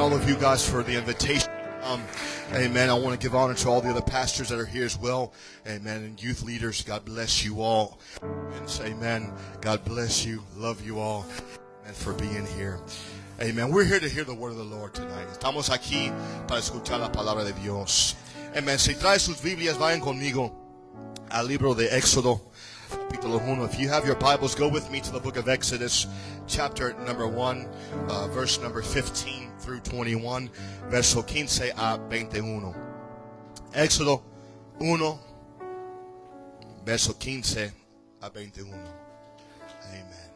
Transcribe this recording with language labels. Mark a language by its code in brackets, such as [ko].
[en] All of you guys for the invitation. Amen. I want to give honor to all the other pastors that are here as well. Amen. And youth leaders, God bless you all. And say amen. God bless you. Love you all. Amen. For being here. Amen. We're here to hear the word of the Lord tonight. [es] Estamos aquí para escuchar la palabra de Dios. Amen. Si traes sus Biblias, vayan conmigo al libro de Éxodo, capítulo 1. [en] If you have your Bibles, go with me to the book of Exodus, chapter number 1, verse number 15. Through 21, [es] verso 15 a 21. Éxodo 1, verso 15 a 21. Amen.